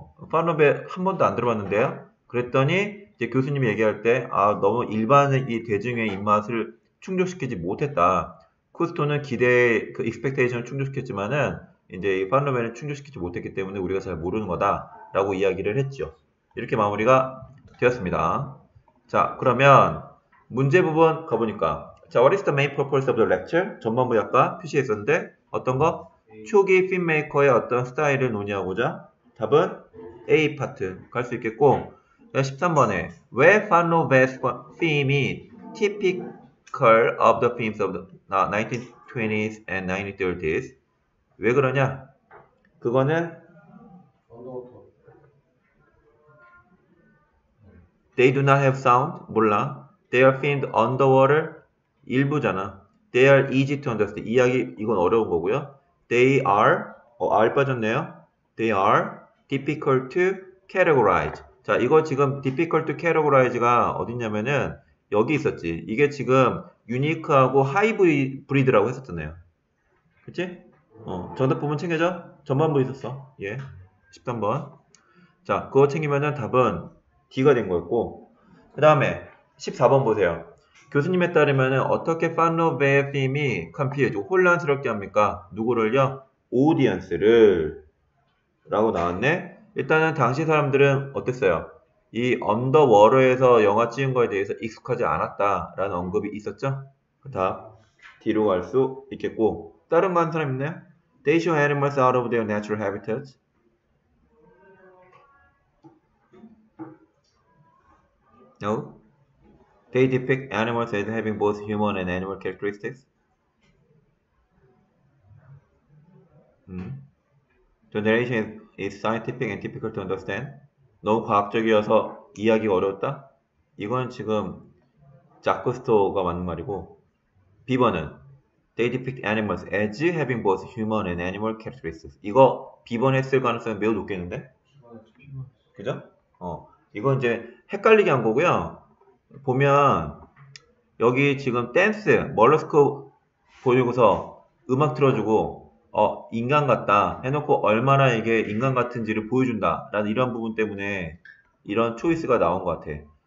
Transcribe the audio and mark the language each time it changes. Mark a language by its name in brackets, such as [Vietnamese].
[Korean] 판로베 한 번도 안 들어봤는데요? 그랬더니 이제 교수님이 얘기할 때, 너무 일반의 대중의 입맛을 충족시키지 못했다. 쿠스토는 기대의 그 익스펙테이션을 충족시켰지만은 이제 이 판로베는 충족시키지 못했기 때문에 우리가 잘 모르는 거다 라고 이야기를 했죠. 이렇게 마무리가 되었습니다. 자, 그러면 문제 부분 가보니까, 자, [English] What is the main purpose of the lecture? [Korean] 전반부 약간 표시했었는데 어떤 거? 초기 핀메이커의 어떤 스타일을 논의하고자. 답은 A 파트 갈 수 있겠고, 13번에 왜 판로베's theme이 [English] typical of the themes of the 1920s and 1930s? [Korean] 왜 그러냐? 그거는 [English] They do not have sound? [Korean] 몰라. [English] They are themed underwater? [Korean] 일부잖아. [English] They are easy to understand. [Korean] 이야기 이건 어려운 거고요. [English] They are, [Korean] R 빠졌네요. [English] They are difficult to categorize. [Korean] 자, 이거 지금 [English] difficult to categorize [Korean] 가 어딨냐면은 여기 있었지. 이게 지금 유니크하고 하이브리드라고 했었잖아요. 그치? 정답 부분 챙겨줘? 전반부 있었어. 예. 13번. 자, 그거 챙기면은 답은 D가 된 거였고. 그 다음에 14번 보세요. 교수님에 따르면은 어떻게 판로베의 theme이 confused, 혼란스럽게 합니까? 누구를요? Audience를. 라고 나왔네. 일단은 당시 사람들은 어땠어요? 이 언더워터에서 영화 찍은 거에 대해서 익숙하지 않았다라는 언급이 있었죠? 그 다음 뒤로 갈 수 있겠고 다른 많은 사람 있나요? [English] They show animals out of their natural habitats. 어? No? They depict animals as having both human and animal characteristics. 음? The narration is scientific and difficult to understand. [Korean] 너무 과학적이어서 이해하기가 어려웠다? 이건 지금 자쿠스토가 맞는 말이고 B번은 [English] They depict animals as having both human and animal characteristics. [Korean] 이거 B번 했을 가능성이 매우 높겠는데? 그죠? 어. 이건 이제 헷갈리게 한 거고요. 보면 여기 지금 댄스 멀러스크 보여주고서 음악 틀어주고 어 인간 같다 해놓고 얼마나 이게 인간 같은지를 보여준다 라는 이런 부분 때문에 이런 초이스가 나온 것 같아.